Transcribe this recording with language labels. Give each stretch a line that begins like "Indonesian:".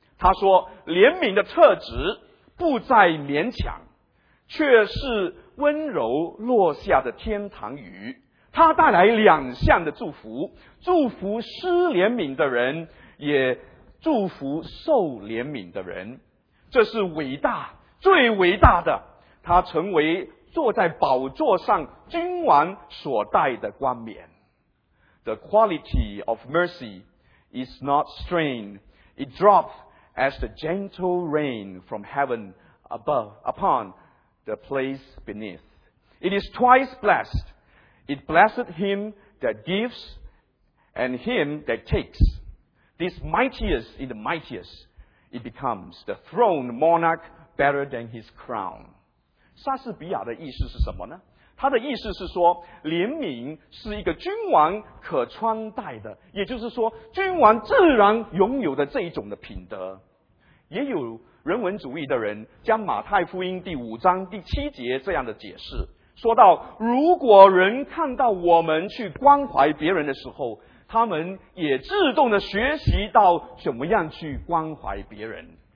Chinese: 他说，怜悯的特质不再勉强，却是温柔落下的天堂雨，它带来两项的祝福，祝福施怜悯的人，也祝福受怜悯的人。这是伟大，最伟大的，他成为坐在宝座上君王所戴的冠冕。
English: The quality of mercy is not strained. It drops as the gentle rain from heaven above upon the place beneath. It is twice blessed. It blesseth him that gives and him that takes. This mightiest in the mightiest, it becomes the throne monarch better than his crown.
Chinese: 莎士比亚的意思是什么呢？他的意思是说，怜悯是一个君王可穿戴的，也就是说，君王自然拥有的这一种的品德。也有人文主义的人将马太福音第五章第七节这样的解释，说到，如果人看到我们去关怀别人的时候，他们也自动的学习到怎么样去关怀别人。